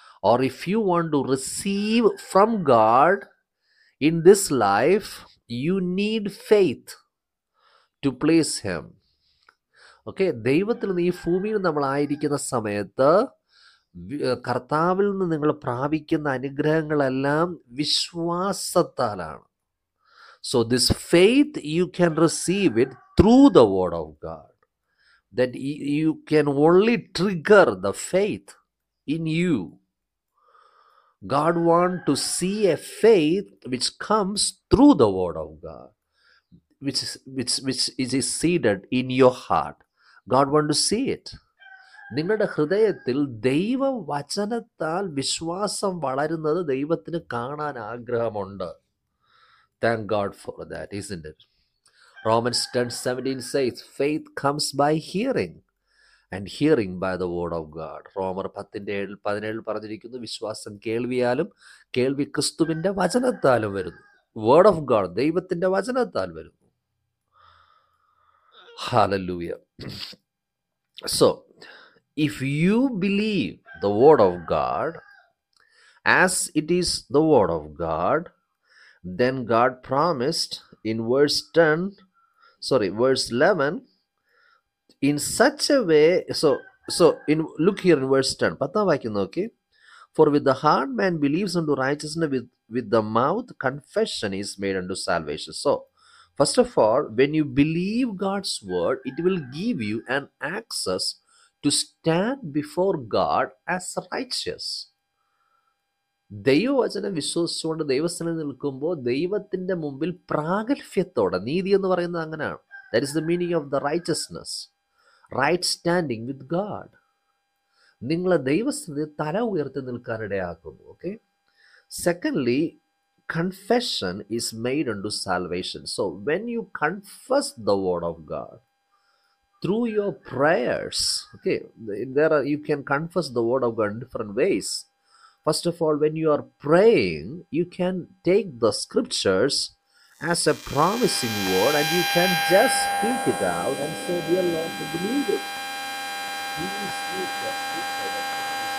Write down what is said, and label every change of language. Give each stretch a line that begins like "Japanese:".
English: Or if you want to receive from God in this life, you need faith to please him.
Malayalam: Okay, ദൈവത്തിൽ നിന്ന് ഈ ഭൂമിയിൽ നമ്മളായിരിക്കുന്ന സമയത്ത് കർത്താവിൽ നിന്ന് നിങ്ങൾ പ്രാപിക്കുന്ന അനുഗ്രഹങ്ങളെല്ലാം വിശ്വാസത്താലാണ്.
English: So this faith, you can receive it through the word of God. That you can only trigger the faith in you. God want to see a faith which comes through the word of God, which is seeded in your heart. God want to see it.
Malayalam: നിങ്ങളുടെ ഹൃദയത്തിൽ ദൈവവചനത്താൽ വിശ്വാസം വളരുന്നത് ദൈവത്തിന് കാണാൻ ആഗ്രഹമുണ്ട്.
English: Thank God for that, isn't it? Romans 10:17 says, faith comes by hearing, and hearing by the word of God.
Malayalam: Romans 10:17 പറഞ്ഞിരിക്കുന്നു, വിശ്വാസം കേൾവിയാലും കേൾവി ക്രിസ്തുവിന്റെ വചനത്താലും വരുന്നു.
English: word of God
Malayalam: ദൈവത്തിന്റെ വചനത്താൽ വരുന്നു.
English: Hallelujah. So if you believe the word of God as it is the word of God, then God promised in verse 11, in such a way, look here in verse 10,
Malayalam: pattham vaikunnu,
English: okay, for with the heart man believes unto righteousness, with the mouth confession is made unto salvation. So first of all, when you believe God's word, it will give you an access to stand before God as righteous.
Malayalam: ദൈവവചനം വിശ്വസിച്ചുകൊണ്ട് ദൈവസ്ഥാനം നിൽക്കുമ്പോൾ ദൈവത്തിന്റെ മുമ്പിൽ പ്രാഗൽഭ്യത്തോടെ, നീതി എന്ന് പറയുന്നത് അങ്ങനെയാണ്,
English: that is the meaning of the righteousness, right standing with God,
Malayalam: നിങ്ങളെ ദൈവസ്ഥാനത്തിൽ തല ഉയർത്തി നിൽക്കാനിടയാക്കുന്നു.
English: Okay, secondly, confession is made unto salvation. So when you confess the word of God through your prayers, okay, you can confess the word of God in different ways. First of all, when you are praying, you can take the scriptures as a promising word, and you can just speak it out and say, dear Lord, believe it. Please speak that scripture.